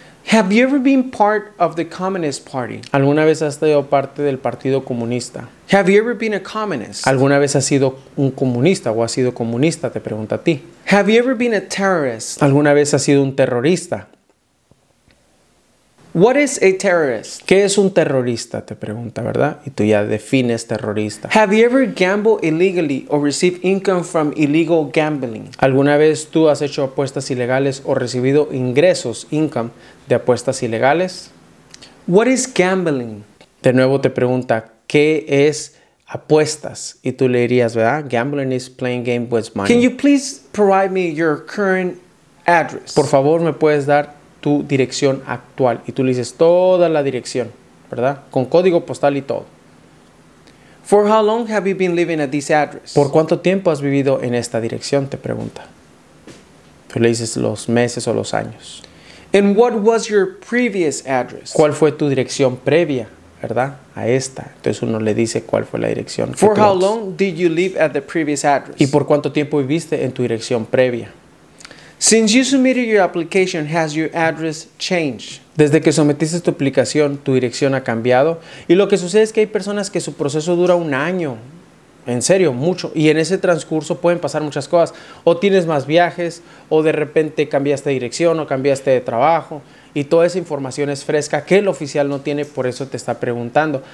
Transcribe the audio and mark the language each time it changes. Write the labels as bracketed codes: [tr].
[en] Have you ever been part of the Communist Party? [es] ¿Alguna vez has sido parte del Partido Comunista? [en] Have you ever been a communist? [es] ¿Alguna vez has sido un comunista o has sido comunista? Te pregunta a ti. [en] Have you ever been a terrorist? [es] ¿Alguna vez has sido un terrorista? [en] What is a terrorist? [es] ¿Qué es un terrorista? Te pregunta, ¿verdad? Y tú ya defines terrorista. [en] Have you ever gambled illegally or received income from illegal gambling? [es] ¿Alguna vez tú has hecho apuestas ilegales o recibido ingresos, income, de apuestas ilegales? [en] What is gambling? [es] De nuevo te pregunta, ¿qué es apuestas? Y tú le dirías, ¿verdad? [en] Gambling is playing game with money. Can you please provide me your current address? [es] Por favor, ¿me puedes dar tu dirección actual? Y tú le dices toda la dirección, ¿verdad? Con código postal y todo. [en] For how long have you been living at this address? [es] ¿Por cuánto tiempo has vivido en esta dirección? Te pregunta. Pero le dices los meses o los años. [en] And what was your previous address? [es] ¿Cuál fue tu dirección previa, verdad? A esta. Entonces uno le dice cuál fue la dirección. [en] For how long did you live at the previous address? [es] ¿Y por cuánto tiempo viviste en tu dirección previa? [en] Since you submitted your application, has your address changed? [es] Desde que sometiste tu aplicación, tu dirección ha cambiado. Y lo que sucede es que hay personas que su proceso dura un año. En serio, mucho. Y en ese transcurso pueden pasar muchas cosas. O tienes más viajes, o de repente cambiaste de dirección, o cambiaste de trabajo. Y toda esa información es fresca que el oficial no tiene, por eso te está preguntando.